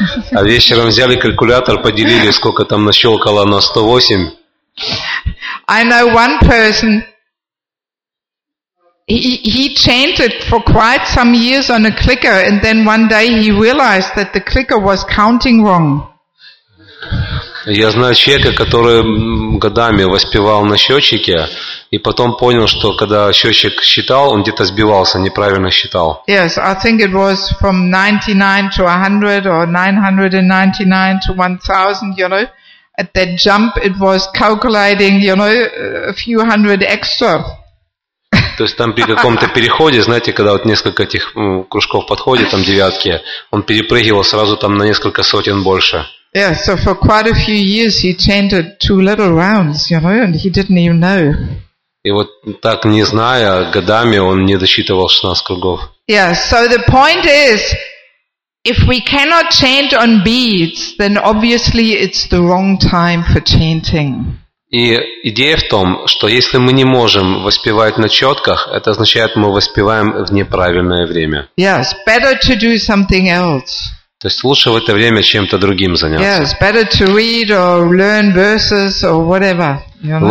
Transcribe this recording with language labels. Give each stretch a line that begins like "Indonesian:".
Russian: А вечером взяли калькулятор, поделили, сколько там нащелкало на 108.
English: I know one person. He chanted for quite some years on a clicker, and then one day he realized that the clicker was counting wrong.
Russian: Я знаю человека, который годами воспевал на счетчике, и потом понял, что когда счетчик считал, он где-то сбивался, неправильно считал.
English: Yes, I think it was from 99 to 100, or 999 to 1000, you know. At that jump, it was calculating, you know, a few hundred extra.
Russian: То есть там при каком-то переходе, знаете, когда вот несколько этих кружков подходит, там девятки, он перепрыгивал сразу там на несколько сотен больше.
English: Yeah, so for quite a few years he chanted two little rounds, you know, and he didn't even know.
Russian: И вот так не зная, годами он не досчитывал 16 кругов.
English: Yeah, so the point is, if we cannot chant on beads, then obviously it's the wrong time for chanting.
Russian: И идея в том, что если мы не можем воспевать на четках, это означает, мы воспеваем в неправильное время.
English: Yes, better to do something else.
Russian: То есть лучше в это время чем-то другим заняться.
English: Yes, better to read or learn verses or whatever. You know?